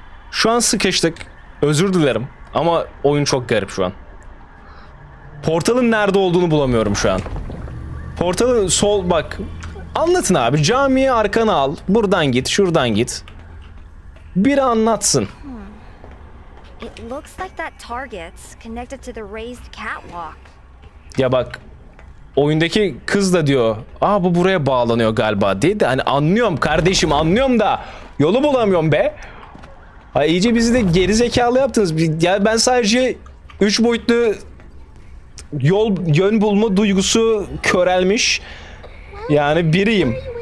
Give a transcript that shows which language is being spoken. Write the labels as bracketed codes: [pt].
[tr] Şu an sıkıştık. Özür dilerim. Ama oyun çok garip şu an. Portalın nerede olduğunu bulamıyorum şu an. Portalın sol, bak. Anlatın abi, camiye arkana al. Buradan git, şuradan git. Biri anlatsın. [en] It looks like that target's connected to the raised catwalk. [tr] Ya bak. Oyundaki kız da diyor. Aa, bu buraya bağlanıyor galiba dedi. Hani anlıyorum kardeşim, anlıyorum da yolu bulamıyorum be. Ha, iyice bizi de gerizekalı yaptınız. Ya ben sadece 3 boyutlu yol, yön bulma duygusu körelmiş yani biriyim.